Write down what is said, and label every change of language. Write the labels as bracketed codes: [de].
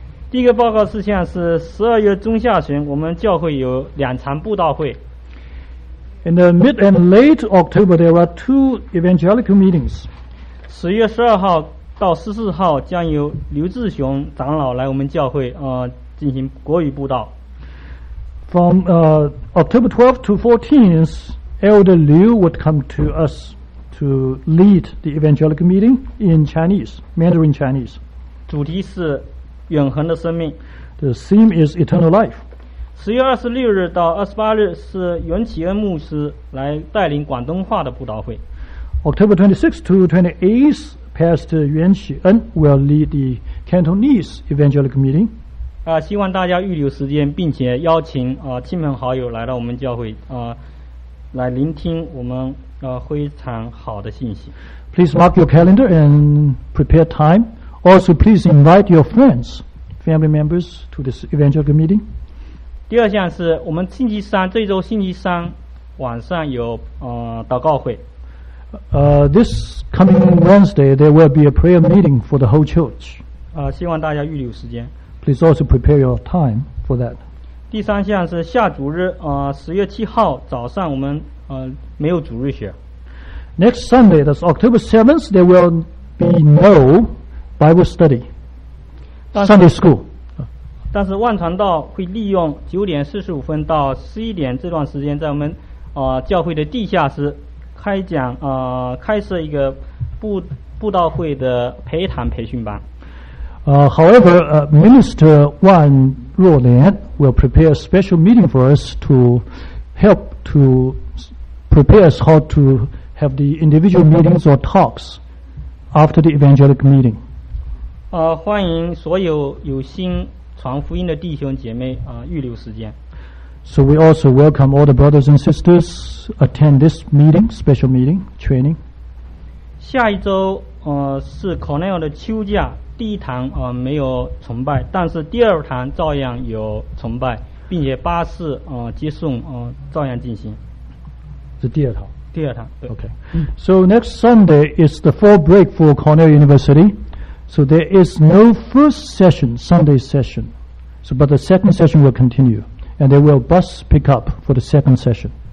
[zh] 第一个报告事项是十二月中下旬，我们教会有两场布道会。 [en] In the mid and late October, there are two evangelical meetings. [zh] 十月十二号到十四号将由刘志雄长老来我们教会进行国语布道。 [en] From October 12th to 14th, Elder Liu would come to us to lead the evangelical meeting in Chinese, Mandarin Chinese. [zh] 主题是永恒的生命。 [en] The theme is eternal life. [zh] 十月二十六日到二十八日是袁启恩牧师来带领广东话的布道会。 [en] October 26th to 28th, Pastor 袁启恩 will lead the Cantonese Evangelical Meeting. [zh] 希望大家预留时间，并且邀请亲朋好友来到我们教会来聆听我们非常好的信息。 [en] Please mark your calendar and prepare time. Also, please invite your friends, family members, to this evangelical meeting. [zh] 第二项是我们星期三，这周星期三晚上有祷告会。 [en] This coming Wednesday, there will be a prayer meeting for the whole church. [zh] 希望大家预留时间。 [en] Please also prepare your time for that. [zh] 第三项是下主日，十月七号早上我们没有主日学。 [en] Next Sunday, that's October 7th, there will be no. Bible study, Sunday school. [zh] 但是万传道会利用九点四十五分到十一点这段时间，在我们教会的地下室开设一个布道会的陪谈培训班。 [en] However, Minister Wan Ruo Lian will prepare a special meeting for us to help to prepare us how to have the individual meetings or talks after the evangelical meeting. [zh] 欢迎所有心传福音的弟兄姐妹预留时间。 [en] So we also welcome all the brothers and sisters attend this meeting, special meeting, training. [zh] 下一周是 Cornell 的秋假，第一堂没有崇拜，但是第二堂照样有崇拜，并且巴士接送照样进行。是第二堂。第二堂。 [en] Okay. So next Sunday is the fall break for Cornell University. So there is no first session, Sunday session. So, but the second session will continue. And there will bus pick up for the second session.